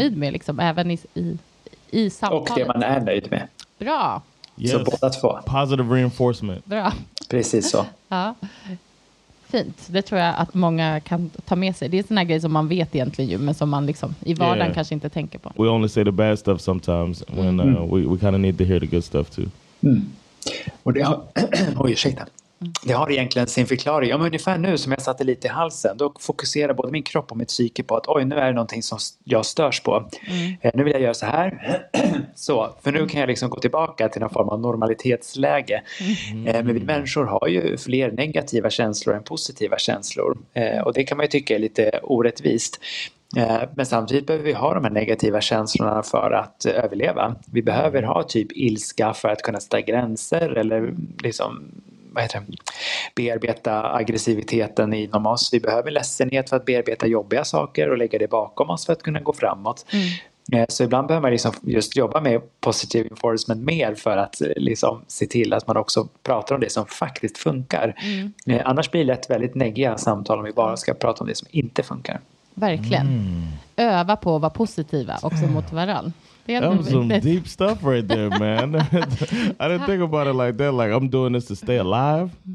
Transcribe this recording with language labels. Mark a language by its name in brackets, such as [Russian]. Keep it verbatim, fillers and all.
[Swedish] nöjd med, liksom, även i, i, i samtalet. Och det man är nöjd med. Bra. Yes. Så båda två. [English] Positive reinforcement. [Swedish] Bra. Precis så. Ja. Fint. Det tror jag att många kan ta med sig. Det är sån här grej som man vet egentligen ju, men som man liksom i vardagen yeah. kanske inte tänker på. [English] We only say the bad stuff sometimes when uh, mm. we, we kind of need to hear the good stuff too. [Swedish] Mm. Och det har, oj, ursäkta. Mm. Det har egentligen sin förklaring. Ja, men ungefär nu som jag satte lite i halsen, då fokuserar både min kropp och mitt psyke på att oj, nu är det någonting som jag störs på. Mm. Eh, nu vill jag göra så här. Så, för nu kan jag liksom gå tillbaka till någon form av normalitetsläge. Mm. Eh, men vi människor har ju fler negativa känslor än positiva känslor. Eh, och det kan man ju tycka är lite orättvist. Men samtidigt behöver vi ha de här negativa känslorna för att överleva. Vi behöver ha typ ilska för att kunna sätta gränser eller liksom, vad heter det, bearbeta aggressiviteten inom oss. Vi behöver ledsenhet för att bearbeta jobbiga saker och lägga det bakom oss för att kunna gå framåt. Mm. Så ibland behöver man liksom just jobba med positive reinforcement mer för att liksom se till att man också pratar om det som faktiskt funkar. Mm. Annars blir det ett väldigt negga samtal om vi bara ska prata om det som inte funkar. Verkligen. Mm. Öva på att vara positiva också mot varandra. [English] That was some deep stuff right there, man. I didn't think about it like that. Like, I'm doing this to stay alive.